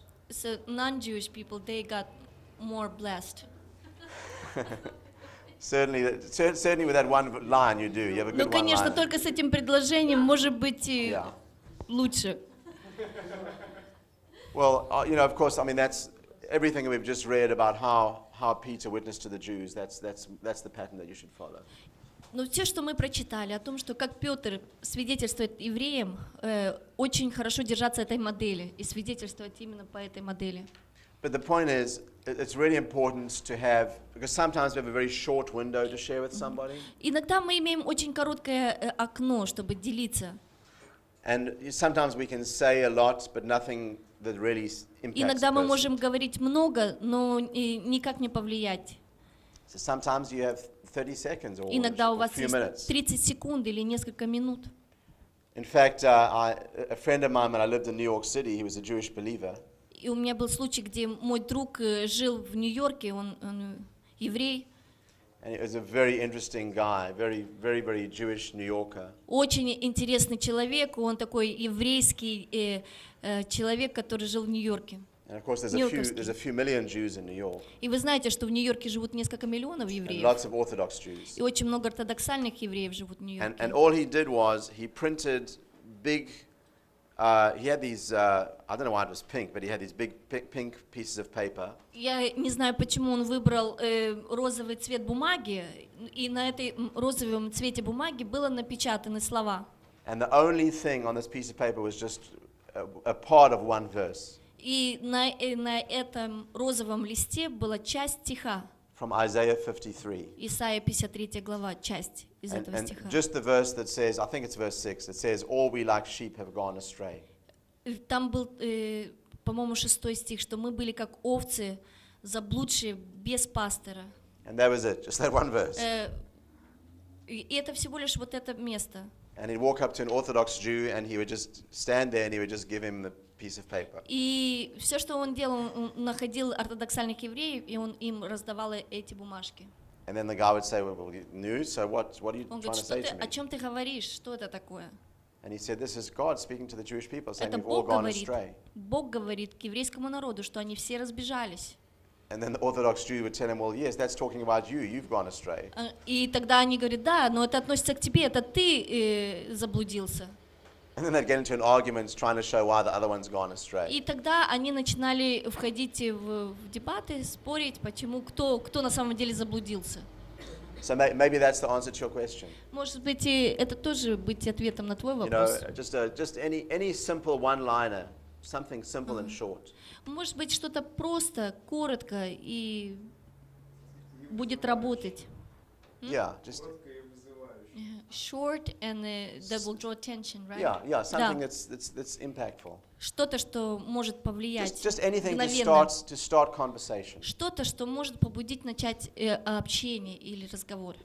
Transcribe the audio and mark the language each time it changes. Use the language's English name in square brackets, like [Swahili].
[English] So non-Jewish people, they got more blessed. certainly with that one line you do. You have a good one. [Russian] Ну, конечно, только с этим предложением может быть лучше. [English] Well, of course, that's everything we've just read about how Peter witnessed to the Jews. That's the pattern that you should follow. [Russian] Ну, все, что мы прочитали о том, что как Петр свидетельствует евреям, очень хорошо держаться этой модели и свидетельствовать именно по этой модели. [English] But the point is, it's really important to have, because sometimes we have a very short window to share with somebody. [Russian] Иногда мы имеем очень короткое окно, чтобы делиться. [English] And sometimes we can say a lot, but nothing that really impacts the person. [Russian] Иногда мы можем говорить много, но никак не повлиять. [English] So sometimes you have 30 seconds or [Russian] иногда у вас [English] few [Russian] есть [English] minutes. [Russian] 30 секунд или несколько минут. [English] In fact, a friend of mine, when I lived in New York City, he was a Jewish believer. [Russian] И у меня был случай, где мой друг жил в Нью-Йорке, он еврей. [English] And he was a very interesting guy, very, very, very Jewish New Yorker. [Russian] Очень интересный человек, он такой еврейский человек, который жил в Нью-Йорке. [English] And of course, there's a few million Jews in New York. [Russian] И вы знаете, что в Нью-Йорке живут несколько миллионов евреев. [English] And lots of Orthodox Jews. [Russian] И очень много ортодоксальных евреев живут в Нью-Йорке. [English] And all he did was he printed big. He had these. I don't know why it was pink, but he had these big pink pieces of paper. [Russian] Я не знаю, почему он выбрал розовый цвет бумаги, и на этой розовом цвете бумаги было напечатаны слова. [English] And the only thing on this piece of paper was just a part of one verse. [Russian] И на этом розовом листе была часть стиха. [English] From Isaiah 53. [Russian] Исаия 53 глава, часть. [English] And just the verse that says, I think it's verse 6, it says, all we like sheep have gone astray. [Russian] Там был, по-моему, шестой стих, что мы были как овцы, заблудшие, без пастыря. [English] And that was it, just that one verse. [Russian] И это всего лишь вот это место. [English] And he'd walk up to an Orthodox Jew, and he would just stand there, and he would just give him the piece of paper. [Russian] И все, что он делал, он находил ортодоксальных евреев, и он им раздавал эти бумажки. [English] And then the guy would say, well, news, so what are you trying to say to me? [Russian] О чем ты говоришь? Что это такое? [English] And he said, this is God speaking to the Jewish people, saying we've all gone astray. [Russian] Бог говорит к еврейскому народу, что они все разбежались. [English] And then the Orthodox Jew would tell him, well, yes, that's talking about you, you've gone astray. [Russian] И тогда они говорят, да, но это относится к тебе, это ты заблудился. [English] And then they'd get into an argument trying to show why the other one's gone astray. [Russian] И тогда они начинали входить в дебаты, спорить, почему кто на самом деле заблудился. [English] So maybe that's the answer to your question. [Russian] Может быть, и это тоже быть ответом на твой вопрос. [English] You know, just any simple one-liner, something simple and short. [Russian] Может быть, что-то просто, коротко и будет работать. [English] Yeah, just short and that will draw attention, right? Yeah, something that's impactful. [Russian] Что-то, что может повлиять. [English] Just anything to start conversation. [Russian] Что-то, что может побудить начать общение или разговор.